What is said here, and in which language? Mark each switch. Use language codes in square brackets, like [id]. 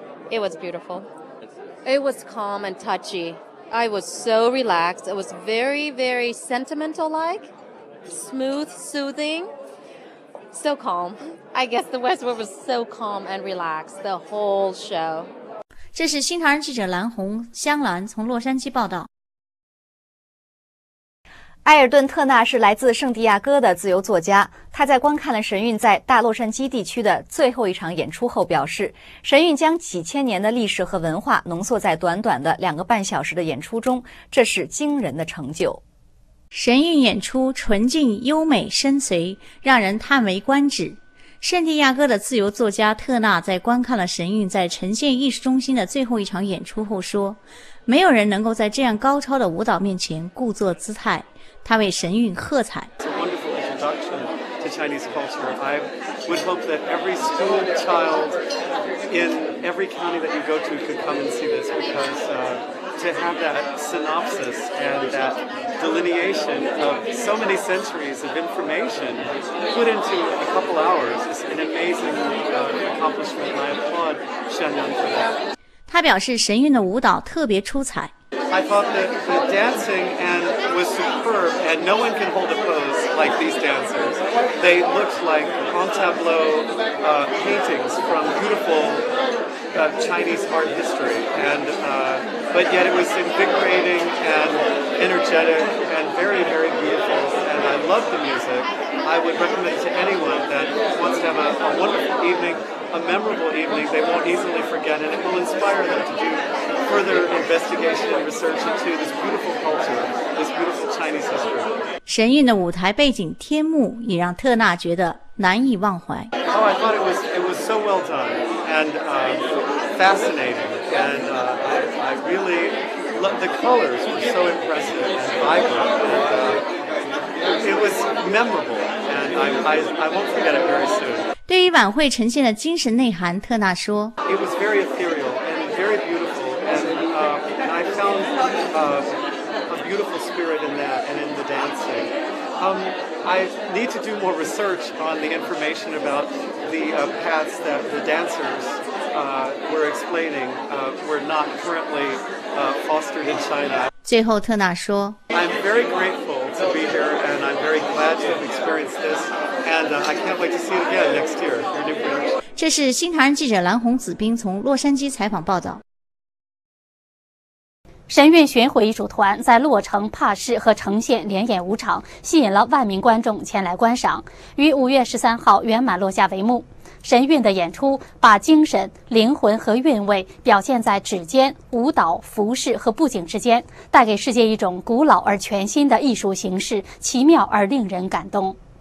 [en] It was beautiful. It was calm and touchy. I was so relaxed. It was very, very sentimental-like, smooth, soothing, so calm. I guess the Westworld was so calm and relaxed the whole show. [zh] 这是新唐人记者蓝红香兰从洛杉矶报道。埃尔顿·特纳是来自圣地亚哥的自由作家，他在观看了神韵在大洛杉矶地区的最后一场演出后表示，神韵将几千年的历史和文化浓缩在短短的两个半小时的演出中，这是惊人的成就。神韵演出纯净优美深邃，让人叹为观止。圣地亚哥的自由作家特纳在观看了神韵在呈现艺术中心的最后一场演出后说，没有人能够在这样高超的舞蹈面前故作姿态，他为神韵喝彩。 [en] It's a wonderful introduction to Chinese culture. I would hope that every school child in every county that you go to could come and see this because, to have that synopsis and that delineation of so many centuries of information put into a couple hours is an amazing, accomplishment. I applaud Shenyang for that. [zh] 他表示神韵的舞蹈特别出彩。 [en] I thought that the dancing was superb, and no one can hold a pose like these dancers. They looked like grand tableau, paintings from beautiful, Chinese art history. And, but yet it was invigorating and energetic and very, very beautiful. And I love the music. I would recommend to anyone that wants to have a wonderful evening, a memorable evening, they won't easily forget, and it will inspire them to do further investigation and research into this beautiful culture, this beautiful Chinese history. [zh] 神韵的舞台背景天幕也让特纳觉得难以忘怀。 [en] Oh, I thought it was so well done and, fascinating, and, I really loved the colors were so impressive and vibrant. And, it was memorable, and I won't forget it very soon. [zh] 对于晚会呈现的精神内涵，特纳说 [en] ，It was very ethereal and very beautiful, and I found a beautiful spirit in that and in the dancing. I need to do more research on the information about the paths that the dancers were explaining were not currently fostered in China. [zh] 最后特纳说 [en] I'm very grateful to be here and I'm very glad to have experienced this and I can't wait to see it again next year. [zh] 这是新唐人记者蓝红子冰从洛杉矶采访报道。神韵巡回艺术团在洛城、帕市和城县连演五场，吸引了万名观众前来观赏，于5月13号圆满落下帷幕。神韵的演出把精神、灵魂和韵味表现在指尖、舞蹈、服饰和布景之间，带给世界一种古老而全新的艺术形式，奇妙而令人感动。